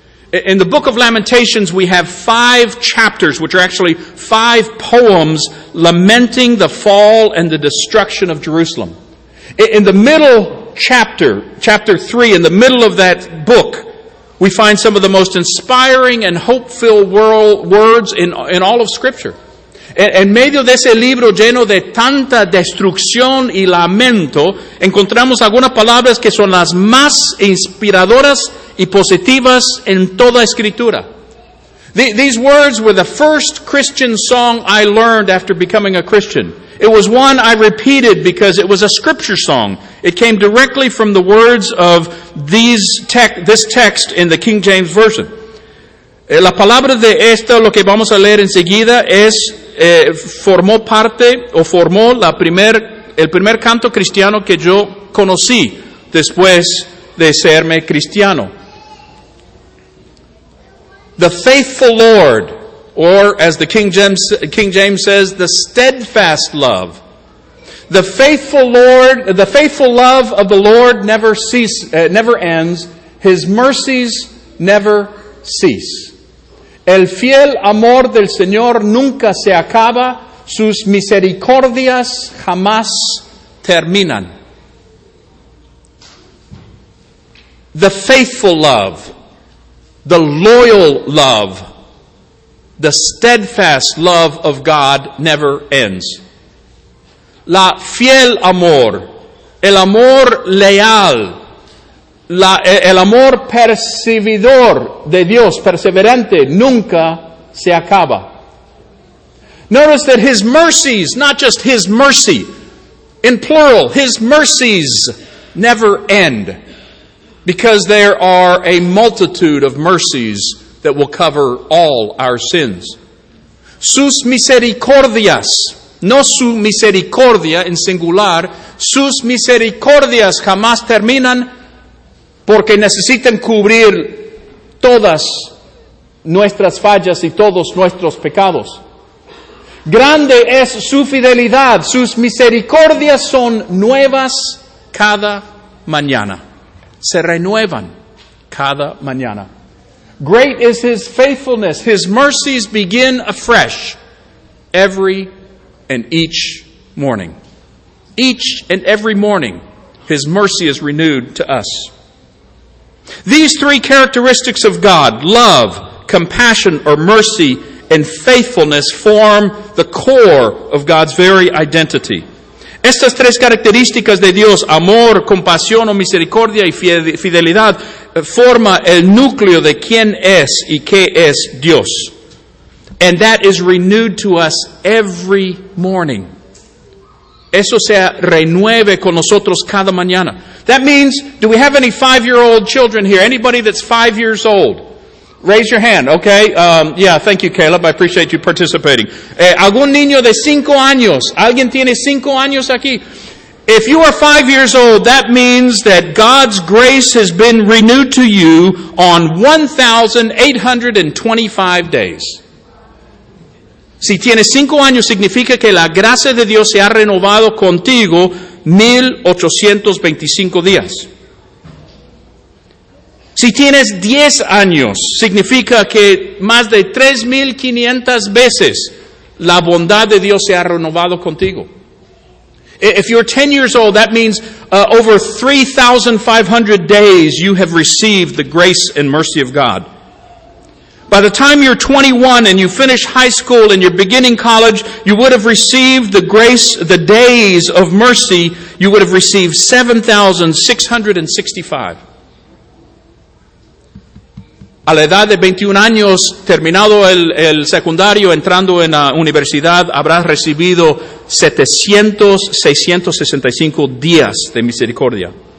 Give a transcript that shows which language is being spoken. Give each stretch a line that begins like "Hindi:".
English: In the book of Lamentations, we have 5 chapters, which are actually 5 poems, lamenting the fall and the destruction of Jerusalem. In the middle chapter 3, in the middle of that book, we find some of the most inspiring and hope-filled words in all of Scripture.
Spanish: En medio de ese libro lleno de tanta destrucción y lamento, encontramos algunas palabras que son las más inspiradoras y positivas en toda Escritura.
English: These words were the first Christian song I learned after becoming a Christian. It was one I repeated because it was a scripture song. It came directly from the words of this text in the King James Version.
Spanish: La palabra de esta, lo que vamos a leer enseguida, es formó parte o formó el primer canto cristiano que yo conocí después de serme cristiano.
English: The faithful Lord, or as the King James says, the steadfast love. The faithful love of the Lord never ends. His mercies never cease.
Spanish: El fiel amor del Señor nunca se acaba, sus misericordias jamás terminan.
English: The faithful love, the loyal love, the steadfast love of God never ends.
Spanish: La fiel amor, el amor leal, el amor percibidor de Dios, perseverante, nunca se acaba.
English: Notice that his mercies, not just his mercy, in plural, his mercies never end, because there are a multitude of mercies that will cover all our sins.
Spanish: Sus misericordias, no su misericordia en singular, sus misericordias jamás terminan, porque necesitan cubrir todas nuestras fallas y todos nuestros pecados. Grande es su fidelidad, sus misericordias son nuevas cada mañana. Se renuevan cada mañana.
English: Great is his faithfulness, his mercies begin afresh every and each morning. Each and every morning, his mercy is renewed to us. These 3 characteristics of God, love, compassion or mercy, and faithfulness, form the core of God's very identity.
Spanish: Estas 3 características de Dios, amor, compasión o misericordia y fidelidad, forma el núcleo de quién es y qué es Dios.
English: And that is renewed to us every morning.
Spanish: Eso se renueve con nosotros cada mañana.
English: That means, do we have any 5-year-old children here? Anybody that's 5 years old? Raise your hand, okay? Thank you, Caleb. I appreciate you participating.
Spanish: ¿Algún niño de 5 años? ¿Alguien tiene 5 años aquí?
English: If you are 5 years old, that means that God's grace has been renewed to you on 1,825 days.
Spanish: Si tienes 5 años, significa que la gracia de Dios se ha renovado contigo 1,825 días. Si tienes 10 años, significa que más de 3,500 veces la bondad de Dios se ha renovado contigo.
English: If you're 10 years old, that means over 3,500 days you have received the grace and mercy of God. By the time you're 21 and you finish high school and you're beginning college, you would have received the grace, the days of mercy, you would have received 7,665.
Spanish: A la edad de 21 años, terminado el secundario, entrando en la universidad, habrás recibido 765 días de misericordia.